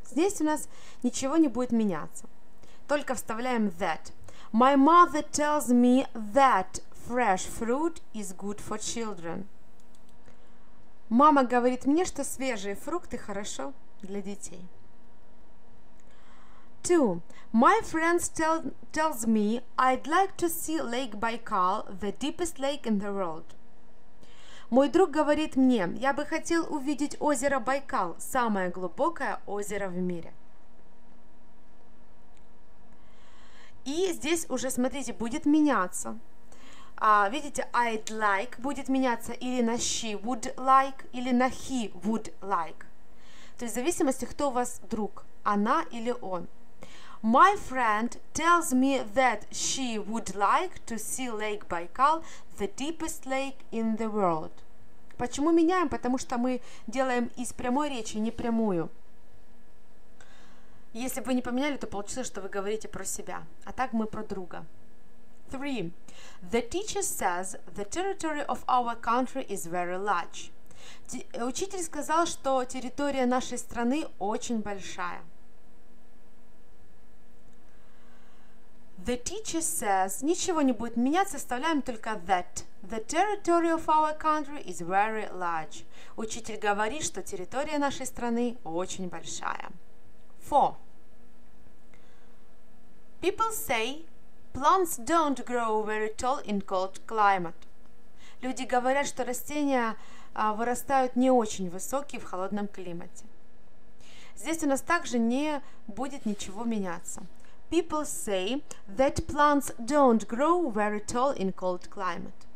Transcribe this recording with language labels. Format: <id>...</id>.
<ru>Здесь у нас ничего не будет меняться. Только вставляем</ru> <en>that. My mother tells me that fresh fruit is good for children.</en> <ru>Мама говорит мне, что свежие фрукты хорошо для детей.</ru> <en>Two. My friends tells me I'd like to see Lake Baikal, the deepest lake in the world.</en> <ru>Мой друг говорит мне, я бы хотел увидеть озеро Байкал, самое глубокое озеро в мире. И здесь уже, смотрите, будет меняться. Видите,</ru> <en>I'd like</en> <ru>будет меняться или на</ru> <en>she would like,</en> <ru>или на</ru> <en>he would like.</en> <ru>То есть в зависимости, кто у вас друг, она или он.</ru> <en>My friend tells me that she would like to see Lake Baikal, the deepest lake in the world.</en> <ru>Почему меняем? Потому что мы делаем из прямой речи непрямую. Если бы вы не поменяли, то получилось, что вы говорите про себя. А так мы про друга. 3.</ru> <en>The teacher says the territory of our country is very large.</en> <ru>Учитель сказал, что территория нашей страны очень большая.</ru> <en>The teacher says,</en> <ru>ничего не будет меняться, оставляем только that.</ru> <en>The territory of our country is very large.</en> <ru>Учитель говорит, что территория нашей страны очень большая. 4.</ru> <en>People say plants don't grow very tall in cold climate.</en> <ru>Люди говорят, что растения вырастают не очень высокие в холодном климате. Здесь у нас также не будет ничего меняться.</ru> <en>People say that plants don't grow very tall in cold climate.</en>